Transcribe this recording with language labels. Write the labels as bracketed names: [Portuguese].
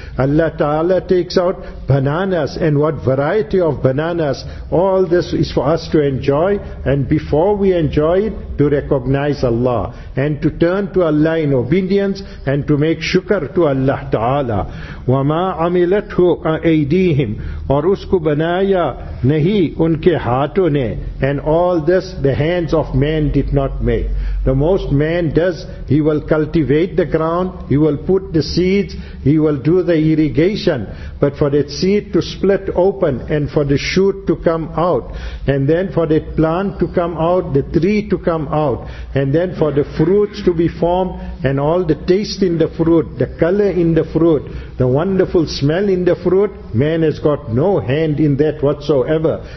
[English] Allah Ta'ala takes out bananas, and what variety of bananas. All this is for us to enjoy, and before we enjoy it, to recognize Allah and to turn to Allah in obedience and to make shukr to Allah Ta'ala. [Arabic] وَمَا عَمِلَتْهُ أَيْدِيهِمْ [Urdu] اور اس کو بنایا نہیں ان کے ہاتھوں نے. [English] And all this the hands of man did not make. The most man does, he will cultivate the ground, he will put the seeds, he will do the irrigation. But for that seed to split open and for the shoot to come out, and then for that plant to come out, the tree to come out, and then for the fruits to be formed, and all the taste in the fruit, the color in the fruit, the wonderful smell in the fruit, man has got no hand in that whatsoever.